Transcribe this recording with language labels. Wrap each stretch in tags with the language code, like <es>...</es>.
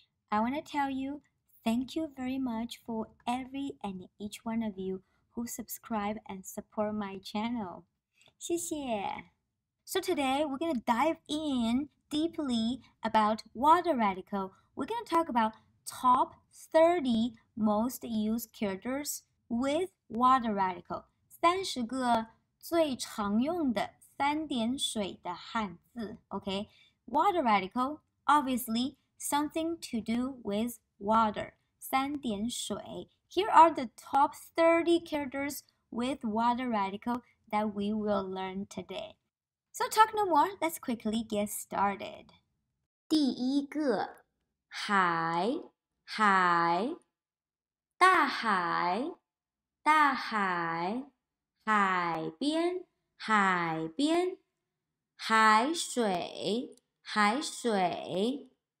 <en>I want to tell you thank you very much for every and each one of you who subscribe and support my channel.</en> <zh>谢谢.</zh> <en>So today we're going to dive in deeply about water radical. We're going to talk about top 30 most used characters with water radical.</en> <zh>30个最常用的三点水的汉字 okay?</zh> <en>Water radical, obviously, something to do with water.</en> <zh>三点水.</zh> <en>Here are the top 30 characters with water radical that we will learn today. So talk no more, let's quickly get started.</en> <zh>第一个，海，海，大海，大海，海边。海边，海水，海水。</zh>